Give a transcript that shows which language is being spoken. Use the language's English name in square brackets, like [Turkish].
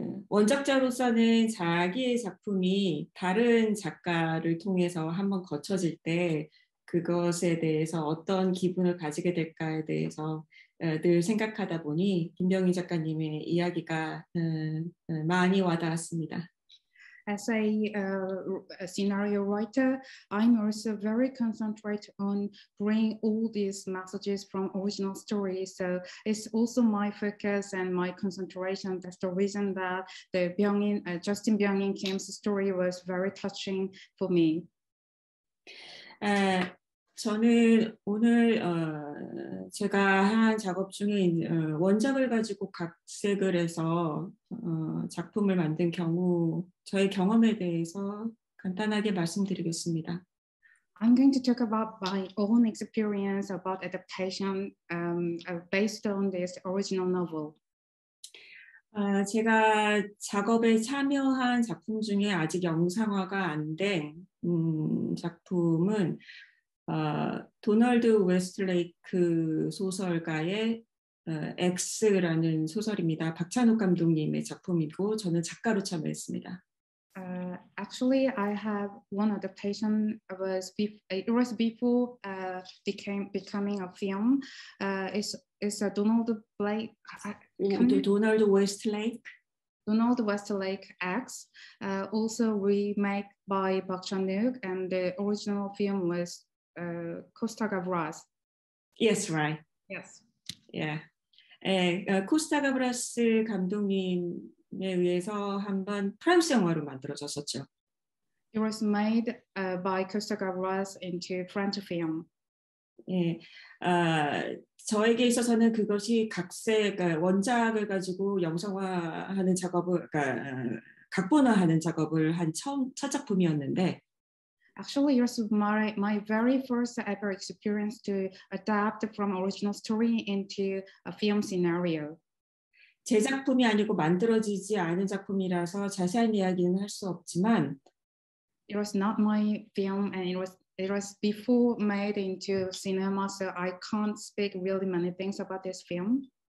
[Korean] 원작자로서는 자기의 작품이 다른 작가를 통해서 한번 거쳐질 때 그것에 대해서 어떤 기분을 가지게 될까에 대해서 늘 생각하다 보니 김병희 작가님의 이야기가 많이 와닿았습니다. [English] As a scenario writer, I'm also very concentrated on bringing all these messages from original stories. So it's also my focus and my concentration. That's the reason that the Byung-in, Justin Byung-in Kim's story was very touching for me. [Korean] 저는 오늘 제가 한 작업 중에 원작을 가지고 각색을 해서 작품을 만든 경우 저의 경험에 대해서 간단하게 말씀드리겠습니다. [English] I'm going to talk about my own experience about adaptation based on this original novel. [Korean] 제가 작업에 참여한 작품 중에 아직 영상화가 안 된 작품은 도널드 웨스트레이크 소설가의 X라는 소설입니다. 박찬욱 감독님의 작품이고 저는 작가로 참여했습니다. [English] Actually, I have one adaptation. It was before becoming a film. It's a Donald Blake. Donald Westlake. Donald Westlake X, also remade by Park Chan-wook, and the original film was. Costa Gavras. Yes, right. Yes. Yeah. [Korean] 코스타 가브라스 감독님에 의해서 한번 프랑스 영화로 만들어졌었죠. [English] It was made by Costa Gavras into French film. [Korean] 예, 저에게 있어서는 그것이 각색 원작을 가지고 영상화하는 작업을 각본화하는 작업을 한 첫 작품이었는데. [English] Actually, it was my very first ever experience to adapt from original story into a film scenario. [Korean] 제 작품이 아니고 만들어지지 않은 작품이라서 자세한 이야기는 할 수 없지만. [English] It was not my film, and it was before made into cinema, so I can't speak really many things about this film.